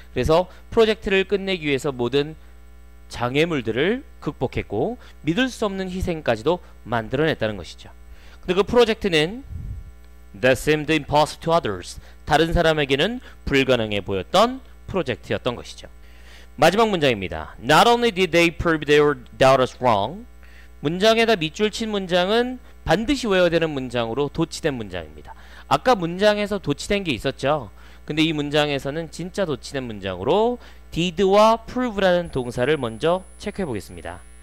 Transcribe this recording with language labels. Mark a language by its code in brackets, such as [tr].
[ko] 그래서 프로젝트를 끝내기 위해서 모든 장애물들을 극복했고 믿을 수 없는 희생까지도 만들어냈다는 것이죠. 근데 그 프로젝트는 [en] That seemed impossible to others. [ko] 다른 사람에게는 불가능해 보였던 프로젝트였던 것이죠. 마지막 문장입니다. [en] Not only did they prove their doubters wrong. [ko] 문장에다 밑줄 친 문장은 반드시 외워야 되는 문장으로 도치된 문장입니다. 아까 문장에서 도치된 게 있었죠. 근데 이 문장에서는 진짜 도치된 문장으로 did와 prove라는 동사를 먼저 체크해 보겠습니다.